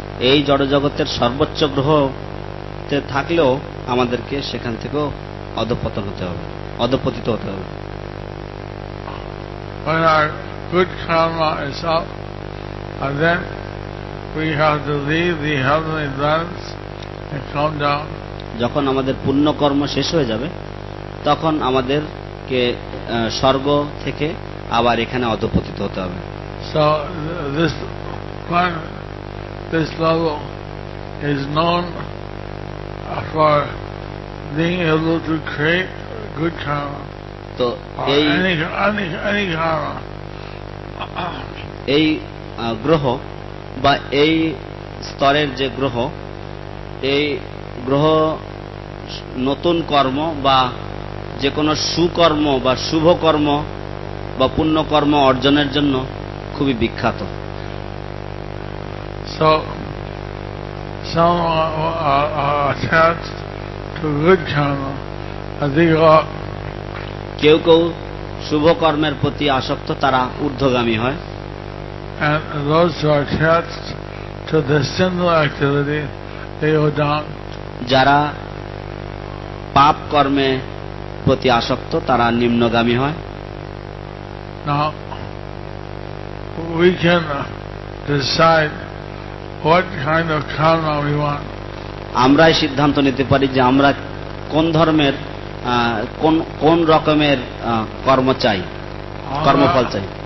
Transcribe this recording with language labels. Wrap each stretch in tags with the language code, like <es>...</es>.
<bn>এই জড়জগতের সর্বোচ্চ গ্রহ থাকলেও আমাদেরকে সেখান থেকেও অধঃপতন হতে হবে, অধঃপতিত হতে হবে.</bn> <en>When our good karma is up, and then we have to leave the heavenly realms and come down.</en> <bn>যখন আমাদের পূর্ণ কর্ম শেষ হয়ে যাবে তখন আমাদেরকে স্বর্গ থেকে আবার এখানে অধঃপতিত হতে হবে.</bn> <en>So this planet, this level is known for being able to create good karma.</en> <bn>তো এই karma, এই গ্রহ বা এই স্তরের যে গ্রহ, এই গ্রহ নতুন কর্ম বা যে কোনো সুকর্ম বা শুভ কর্ম বা পুণ্য কর্ম অর্জনের জন্য খুবই বিখ্যাত.</bn> <en>So some are attached to good karma, as they go up.</en> <bn>কেউ কেউ শুভ কর্মের প্রতি আসক্ত, তারা ঊর্ধ্বগামী হয়.</bn> <en>And those who are attached to the sinful activity, they go down.</en> <bn>যারা পাপ কর্মে প্রতি আসক্ত, তারা নিম্নগামী হয়.</bn> <en>Now we can decide what kind of karma we want.</en> <bn>আমরাই সিদ্ধান্ত নিতে পারি যে আমরা কোন ধর্মের কোন রকমের কর্ম চাই, কর্মফল চাই.</bn>